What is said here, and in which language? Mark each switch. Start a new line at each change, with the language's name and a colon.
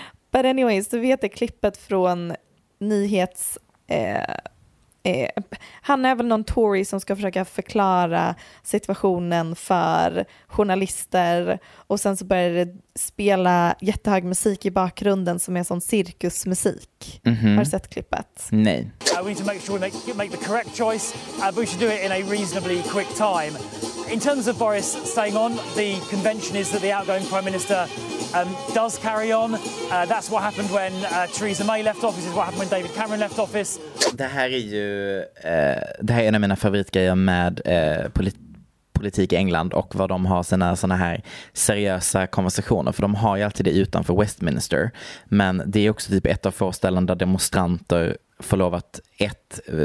English: But anyways,
Swedish: du vet det klippet från nyhets... han är väl någon Tory som ska försöka förklara situationen för journalister, och sen så börjar det spela jättehög musik i bakgrunden som är sån cirkusmusik. Mm-hmm. Har du sett klippet? Nej.
English: We need to make sure they make the correct choice, and we should do it in a reasonably quick time. In terms of Boris staying on, the convention is that the outgoing prime minister does carry on. That's what happened when Theresa May left office, is what happened when David Cameron left office.
Swedish: Det här är ju det här är en av mina favoritgrejer med politik i England, och vad de har sina såna här seriösa konversationer, för de har ju alltid det utanför Westminster, men det är också typ ett av få ställen där demonstranter får lov att ett,